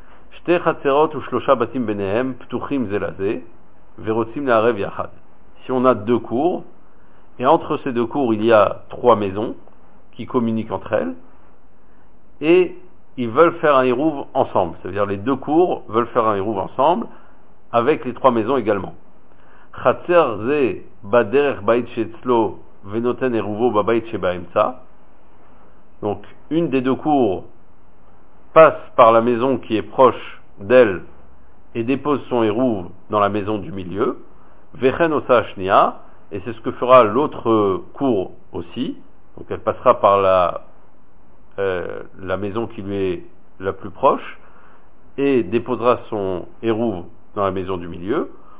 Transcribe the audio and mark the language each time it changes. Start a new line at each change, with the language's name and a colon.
Hebrew: שתי חצרות ושלושה בתים ביניהם פתוחים זה לזה ורוצים לערב יחד.
French: Si on a deux cours, et entre ces deux cours il y a trois maisons qui communiquent entre elles, et ils veulent faire un hérouv ensemble, c'est-à-dire les deux cours veulent faire un hérouv ensemble avec les trois maisons également.
Hebrew: חצר זה בדרך בית שאצלו ונותן הרובו בבית שבאמצע.
French: Donc une des deux cours passe par la maison qui est proche d'elle et dépose son hérouv dans la maison du milieu.
Hebrew: Vechen osa shnia,
French: et c'est ce que fera l'autre cour aussi. Donc elle passera par la maison qui lui est la plus proche et déposera son hérouv dans la maison du milieu.